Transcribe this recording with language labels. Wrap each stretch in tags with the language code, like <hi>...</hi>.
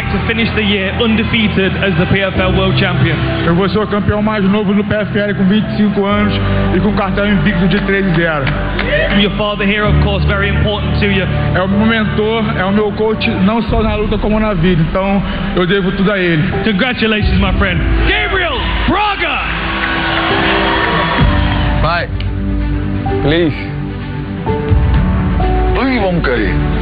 <en>finish the year undefeated as the PFL World Champion.</en> <pt>Eu vou ser o campeão mais novo no PFL com 25 anos e com cartão invicto de 13-0.</pt> <en>Your father here, of course, very important to you.</en> <pt>É o meu mentor, é o meu coach, não só na luta como na vida. Então, eu devo tudo a ele.</pt> <en>Congratulations, my friend. Gabriel Braga!</en> <pt>Pai, please. Ui, vamos cair.</pt>